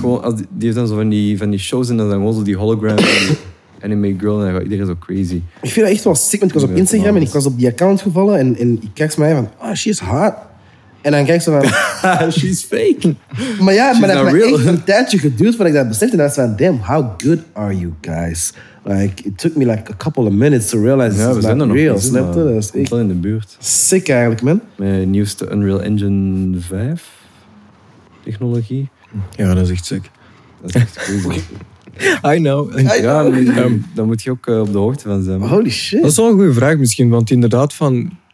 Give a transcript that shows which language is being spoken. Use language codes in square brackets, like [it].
[nl] Die heeft dan zo van die shows en dan gewoon zo die hologram anime girl en dan gaat iedereen zo crazy. Ik vind dat echt wel sick, want ik was op Instagram en ik was op die account gevallen en ik kijk ze mij van, [en] oh, she is hot. [nl] En dan kijk ze van, [en] she's fake. [nl] Maar ja, maar dat heeft me echt een tijdje geduurd voordat ik dat besefte. En dan is van, [en] damn, how good are you guys? Like, it took me like a couple of minutes to realize this is not real. [nl] Snap je? Dat is echt wel in de buurt. Sick eigenlijk, man. Mijn nieuwste Unreal Engine 5 technologie. Ja, dat is echt sick. Dat is echt cool. [en] I know. [nl] Ja, daar moet je ook op de hoogte van zijn. [en] Holy shit. [nl] Dat is wel een goede vraag misschien, want inderdaad van...